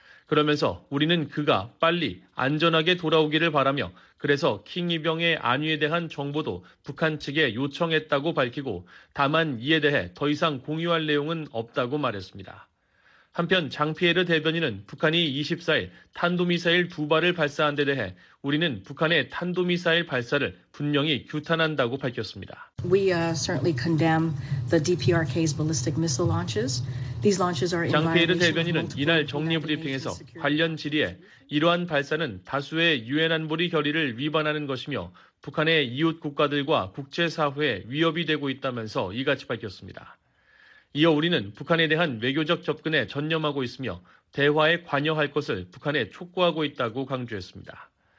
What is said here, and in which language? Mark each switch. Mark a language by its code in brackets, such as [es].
[ko] 그러면서 우리는 그가 빨리 안전하게 돌아오기를 바라며 그래서 킹 2병의 안위에 대한 정보도 북한 측에 요청했다고 밝히고 다만 이에 대해 더 이상 공유할 내용은 없다고 말했습니다. 한편 장피에르 대변인은 북한이 24일 탄도미사일 두 발을 발사한 데 대해 우리는 북한의 탄도미사일 발사를 분명히 규탄한다고 밝혔습니다. [en] We certainly condemn the DPRK's ballistic missile launches. These launches are in violation. [ko] 장피에르 대변인은 이날 정례 브리핑에서 관련 질의에 이러한 발사는 다수의 유엔 안보리 결의를 위반하는 것이며 북한의 이웃 국가들과 국제사회에 위협이 되고 있다면서 이같이 밝혔습니다. 이어 우리는 북한에 대한 외교적 접근에 전념하고 있으며 대화에 관여할 것을 북한에 촉구하고 있다고 강조했습니다.